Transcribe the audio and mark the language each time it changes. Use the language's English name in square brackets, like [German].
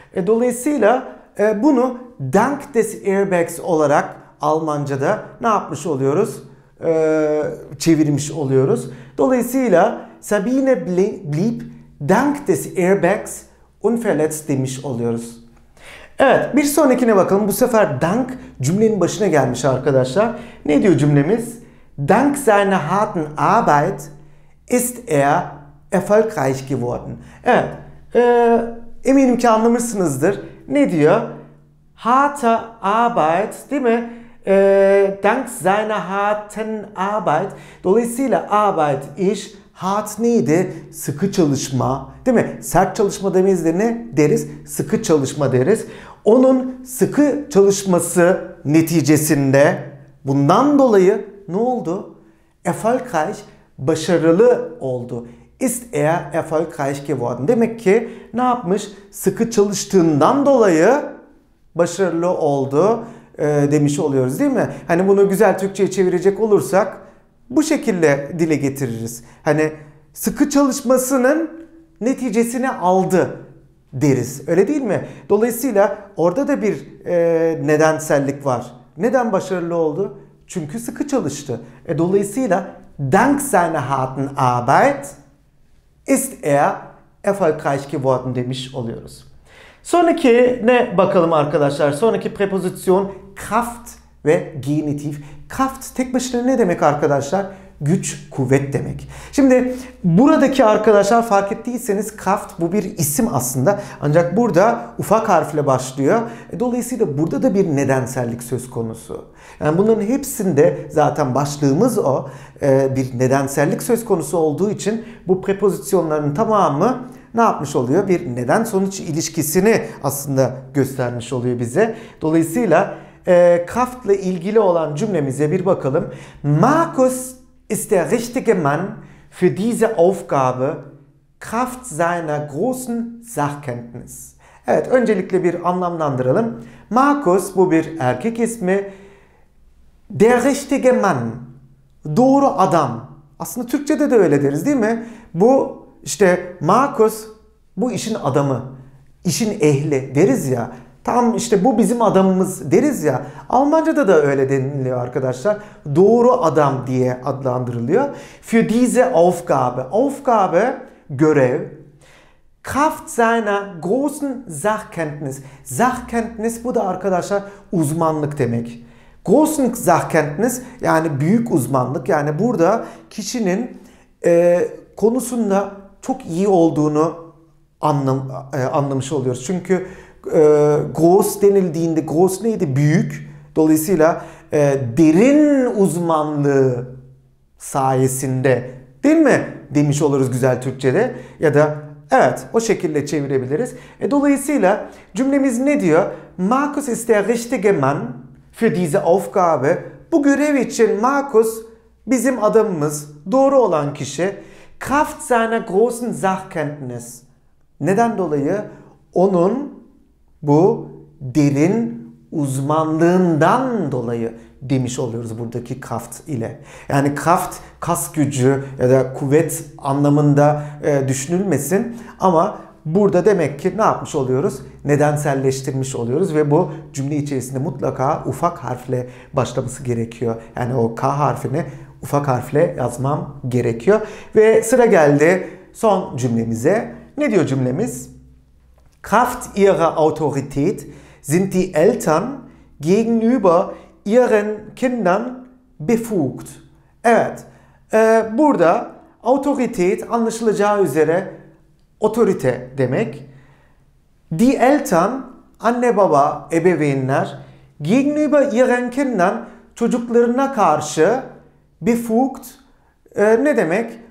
[Turkish] Dolayısıyla bunu [German] dank des airbags [Turkish] olarak Almanca'da ne yapmış oluyoruz? Çevirmiş oluyoruz. Dolayısıyla [German] Sabine blieb dank des airbags unverletzt [Turkish] demiş oluyoruz. Evet, bir sonrakine bakalım. Bu sefer dank cümlenin başına gelmiş arkadaşlar. Ne diyor cümlemiz? [German] Dank seiner harten Arbeit ist erfolgreich geworden. [Turkish] Evet, eminim ki anlamışsınızdır. Ne diyor? [German] Harte Arbeit, [Turkish] değil mi? [German] Dank seiner harten Arbeit. [Turkish] Dolayısıyla Arbeit, iş. Hard neydi? Sıkı çalışma. Değil mi? Sert çalışma demeyiz de ne deriz? Sıkı çalışma deriz. Onun sıkı çalışması neticesinde bundan dolayı ne oldu? Erfolgreich başarılı oldu. [German] Ist erfolgreich geworden. [Turkish] Demek ki ne yapmış? Sıkı çalıştığından dolayı başarılı oldu demiş oluyoruz değil mi? Hani bunu güzel Türkçe'ye çevirecek olursak bu şekilde dile getiririz. Hani sıkı çalışmasının neticesini aldı deriz. Öyle değil mi? Dolayısıyla orada da bir nedensellik var. Neden başarılı oldu? Çünkü sıkı çalıştı. Dolayısıyla [German] dank seiner harten Arbeit ist erfolgreich geworden [Turkish] demiş oluyoruz. Sonraki ne bakalım arkadaşlar? Sonraki preposition Kraft ve Genitiv. Kraft tek başına ne demek arkadaşlar? Güç, kuvvet demek. Şimdi buradaki arkadaşlar fark ettiyseniz Kraft bu bir isim aslında. Ancak burada ufak harfle başlıyor. Dolayısıyla burada da bir nedensellik söz konusu. Yani bunların hepsinde zaten başlığımız o. Bir nedensellik söz konusu olduğu için bu prepozisyonların tamamı ne yapmış oluyor? Bir neden sonuç ilişkisini aslında göstermiş oluyor bize. Dolayısıyla Kraft'la ilgili olan cümlemize bir bakalım. [German] Markus ist der richtige Mann für diese Aufgabe Kraft seiner großen Sachkenntnis. [Turkish] Evet, öncelikle bir anlamlandıralım. Markus, bu bir erkek ismi. [German] Der richtige Mann, [Turkish] doğru adam. Aslında Türkçe'de de öyle deriz değil mi? Bu işte Markus, bu işin adamı, işin ehli deriz ya. Tam işte bu bizim adamımız deriz ya. Almanca'da da öyle deniliyor arkadaşlar. Doğru adam diye adlandırılıyor. [German] Für diese Aufgabe. Aufgabe, [Turkish] görev. [German] Kraft seiner großen Sachkenntnis. [Turkish] Sachkenntnis, bu da arkadaşlar uzmanlık demek. [German] Großen Sachkenntnis, [Turkish] yani büyük uzmanlık. Yani burada kişinin konusunda çok iyi olduğunu anlamış oluyoruz. Çünkü groß denildiğinde groß neydi? Büyük. Dolayısıyla derin uzmanlığı sayesinde, değil mi? Demiş oluruz güzel Türkçe'de. Ya da evet, o şekilde çevirebiliriz. Dolayısıyla cümlemiz ne diyor? [German] Markus ist der richtige Mann für diese Aufgabe. [Turkish] Bu görev için Markus bizim adamımız, doğru olan kişi. [German] Kraft seiner großen Sachkenntnis. [Turkish] Neden dolayı? Onun bu derin uzmanlığından dolayı demiş oluyoruz buradaki Kraft ile. Yani Kraft kas gücü ya da kuvvet anlamında düşünülmesin. Ama burada demek ki ne yapmış oluyoruz? Nedenselleştirmiş oluyoruz ve bu cümle içerisinde mutlaka ufak harfle başlaması gerekiyor. Yani o K harfini ufak harfle yazmam gerekiyor. Ve sıra geldi son cümlemize. Ne diyor cümlemiz? [German] Kraft ihrer Autorität sind die Eltern gegenüber ihren Kindern befugt. [Turkish] Evet, burada Autorität anlaşılacağı üzere otorite demek. [German] Die Eltern, [Turkish] anne baba, ebeveynler, [German] gegenüber ihren Kindern, [Turkish] çocuklarına karşı befugt, ne demek?